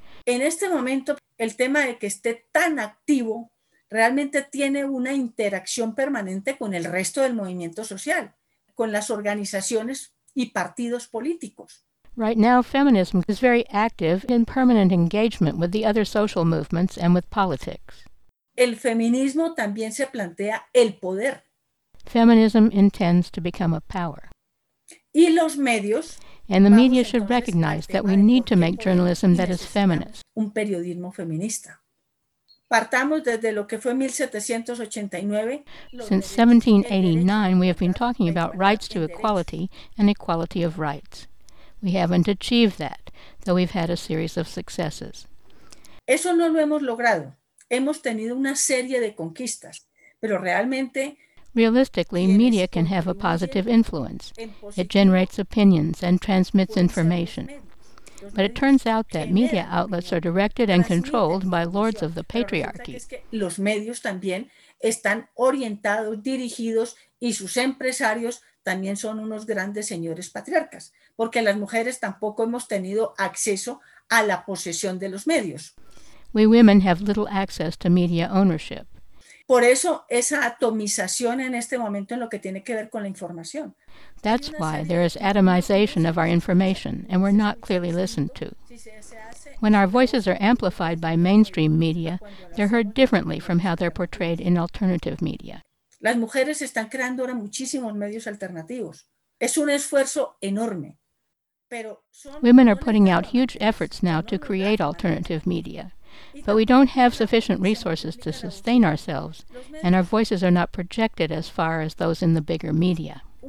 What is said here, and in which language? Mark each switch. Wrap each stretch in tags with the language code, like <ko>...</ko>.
<es>En este momento, el tema de que esté tan activo realmente tiene una interacción permanente con el resto del movimiento social, con las organizaciones y partidos políticos.</es> <en>Right now, feminism is very active in permanent engagement with the other social movements and with politics.</en> <es>El feminismo también se plantea el poder.</es> <en>Feminism intends to become a power.</en> <es>Y los medios.</es> <en>And the media should recognize that we need to make journalism that is feminist.</en> <es>Un periodismo feminista. Partamos desde lo que fue 1789.</es> <en>Since 1789, we have been talking about rights to equality and equality of rights. We haven't achieved that, though we've had a series of successes.</en> <es>Eso no lo hemos logrado. Hemos tenido una serie de conquistas, pero realmente.</es> <en>Realistically, media can have a positive influence. It generates opinions and transmits information. But it turns out that media outlets are directed and controlled by lords of the patriarchy.</en> <es>Los medios también están orientados, dirigidos, y sus empresarios también son unos grandes señores patriarcas, porque las mujeres tampoco hemos tenido acceso a la posesión de los medios.</es> <en>We women have little access to media ownership.</en> <es>Por eso esa atomización en este momento en lo que tiene que ver con la información.</es> <en>That's why there is atomization of our information and we're not clearly listened to. When our voices are amplified by mainstream media, they're heard differently from how they're portrayed in alternative media.</en> <es>Las mujeres están creando ahora muchísimos medios alternativos. Es un esfuerzo enorme. Pero</es> <en>women are putting out huge efforts now to create alternative media. But we don't have sufficient resources to sustain ourselves, and our voices are not projected as far as those in the bigger media.</en>